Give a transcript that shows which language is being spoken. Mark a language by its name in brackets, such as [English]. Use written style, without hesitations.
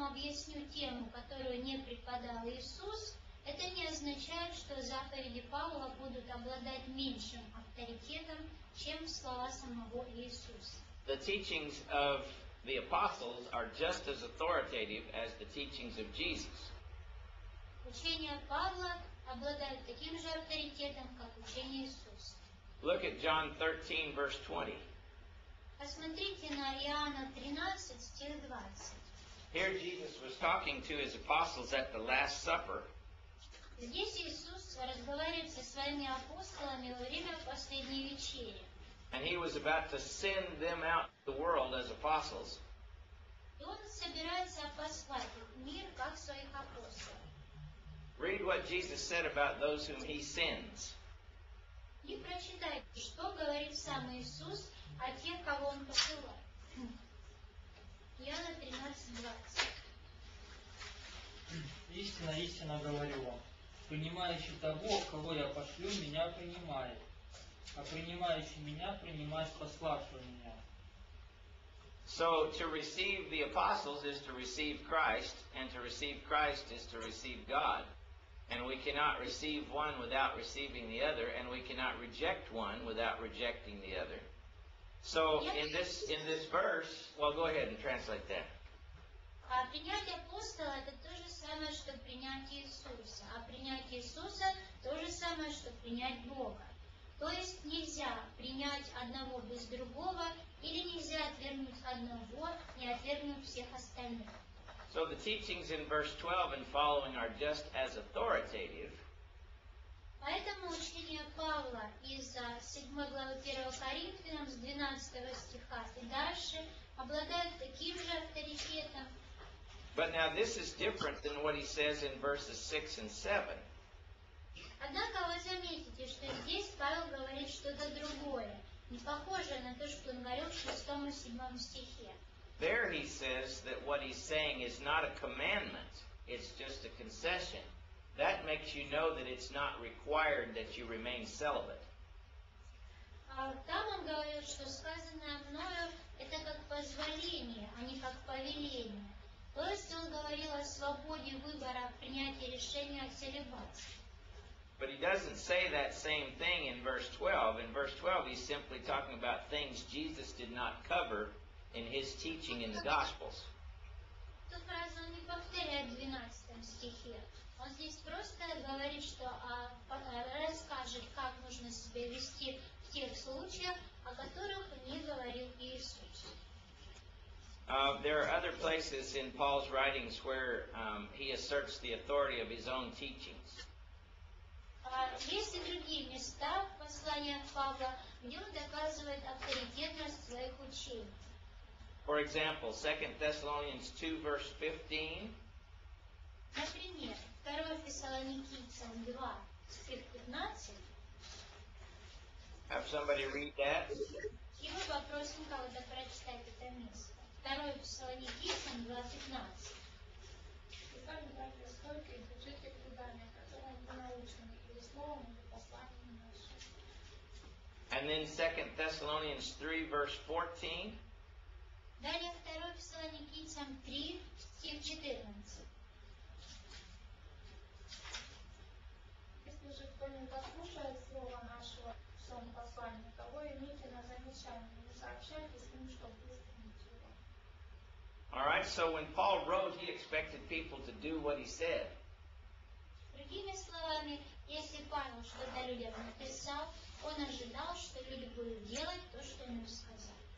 [Russian] объясню тему, которую не преподал Иисус, это не означает, что заповеди Павла будут обладать меньшим авторитетом, чем слова самого Иисуса. [English] The teachings of the apostles are just as authoritative as the teachings of Jesus. [Russian] Учение Павла обладает таким же авторитетом, как учение Иисуса. [English] Look at John 13, verse 20. [Russian] Посмотрите на Иоанна 13, стих 20. [English] Here Jesus was talking to his apostles at the Last Supper. [Russian] Здесь Иисус разговаривает со своими апостолами во время последней вечери. [English] And he was about to send them out to the world as apostles. [Russian] И он собирается послать их в мир как своих апостолов. [English] Read what Jesus said about those whom he sends. [Russian] И прочитайте, что говорит сам Иисус о тех, кого он посылает. Иоанна 13:20. Истинно, истинно говорю вам. Принимающий того, кого я пошлю, меня принимает. А принимающий меня, принимает пославшего меня. [English] So, to receive the apostles is to receive Christ, and to receive Christ is to receive God. And we cannot receive one without receiving the other, and we cannot reject one without rejecting the other. So, in this verse, well, go ahead and translate that. [Russian] Принять апостола – это то же самое, что принять Иисуса. А принять Иисуса – то же самое, что принять Бога. То есть нельзя принять одного без другого, или нельзя отвергнуть одного, не отвергнув всех остальных. [English] So the teachings in verse 12 and following are just as authoritative. [Russian] Поэтому учение Павла из 7 главы 1 Коринфянам с 12 стиха и дальше обладает таким же авторитетом. [English] But now this is different than what he says in verses 6 and 7. [Russian] Однако вы заметите, что здесь Павел говорит что-то другое, не похожее на то, что он говорил в 6 и 7 стихе. [English] There he says that what he's saying is not a commandment, it's just a concession. That makes you know that it's not required that you remain celibate. [Russian] Там он говорит, что сказанное мною это как позволение, а не как повеление. То есть он говорил о свободе выбора принятия решения о целибате. [English] But he doesn't say that same thing in verse 12. In verse 12 he's simply talking about things Jesus did not cover in his teaching in the Gospels. [Russian] Ту фразу он не повторяет в 12 стихе. Он здесь просто говорит, что расскажет, как нужно себя вести в тех случаях, о которых не говорил Иисус. [English] There are other places in Paul's writings where he asserts the authority of his own teachings. [Russian] Есть и другие места в посланиях Павла, где он доказывает авторитетность своих учений. [English] For example, 2 Thessalonians 2, verse 15. [Russian] Например, 2 Фессалоникийцам 2, стих 15. [English] Have somebody read that. [Russian] И мы попросим кого-то прочитать это место. 2 Фессалоникийцам 2, 15. Итак, братья, стойте и держите предание, которое мы научены, или словом, или посланием нашим. [English] And then 2 Thessalonians 3, verse 14. [Russian] Далее 2 Фессалоникийцам 3, стих 14. Если же кто не дослушает слова нашего в своем послании, того имейте на замечание, не сообщайте с ним, чтобы выяснить его. [English] All right, so when Paul wrote, he expected people to do what he said. [Russian] Другими словами, если Павел что-то людям написал, он ожидал, что люди будут делать то, что ему сказал.